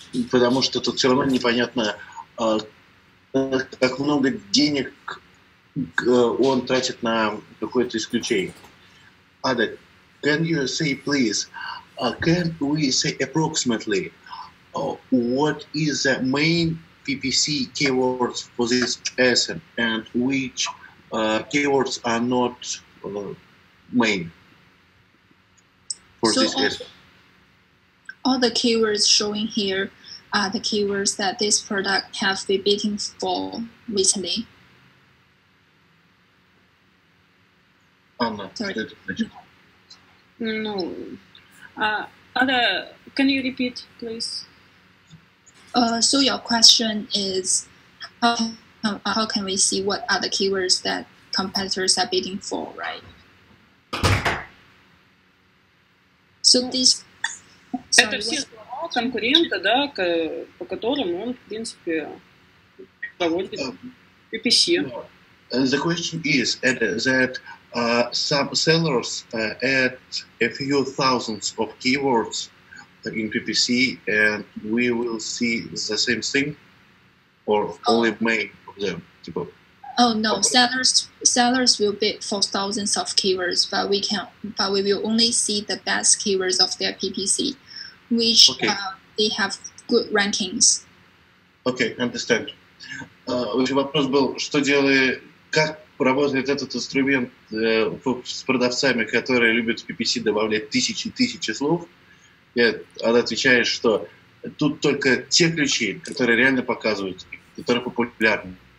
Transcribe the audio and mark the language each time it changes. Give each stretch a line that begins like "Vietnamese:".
Russian: Потому что тут все равно непонятно, как много денег он тратит на какое-то исключение.
English: Ada, can you say, please, can we say approximately what is the main PPC keywords for this asset and which keywords are not main for this asset? All the keywords showing here are the keywords that this product have been bidding for recently. Can you repeat, please? So your question is, how can we see what are the keywords that competitors are bidding for, right? So this.
Russian: Это все слова конкурента, да, по которым он, в принципе, проводит PPC.
English: The question is that some sellers add a few thousands of keywords in PPC, and we will see the same thing, or only many of them. Oh no, sellers will bid for thousands of keywords, but we can, but we will only see the best keywords of their PPC, which they have good rankings. Okay, understand.
Russian: Еще вопрос был, что делает. Как работает этот инструмент с продавцами, которые любят в PPC добавлять тысячи и тысячи слов? И она отвечает, что тут только те ключи, которые реально показывают, которые популярны.